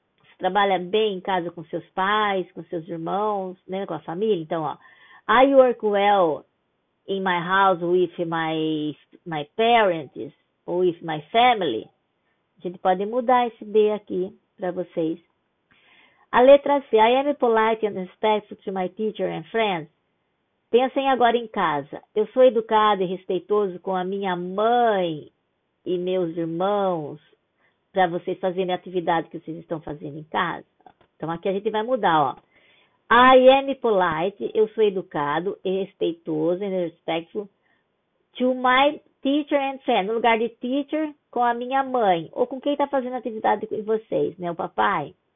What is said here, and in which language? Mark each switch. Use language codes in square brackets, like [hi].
[pt] Você trabalha bem em casa com seus pais, com seus irmãos, né? Com a família? Então, ó, [en] I work well in my house with my parents. [pt] Ou [en] if my family. [pt] A gente pode mudar esse B aqui para vocês. A letra C. [en] I am polite and respectful to my teacher and friends. [pt] Pensem agora em casa. Eu sou educado e respeitoso com a minha mãe e meus irmãos para vocês fazerem a atividade que vocês estão fazendo em casa. Então aqui a gente vai mudar, ó. [en] I am polite. [pt] Eu sou educado e respeitoso [en] and respectful to my teacher and friend, [pt] no lugar de teacher, com a minha mãe, ou com quem está fazendo atividade com vocês, né? O papai.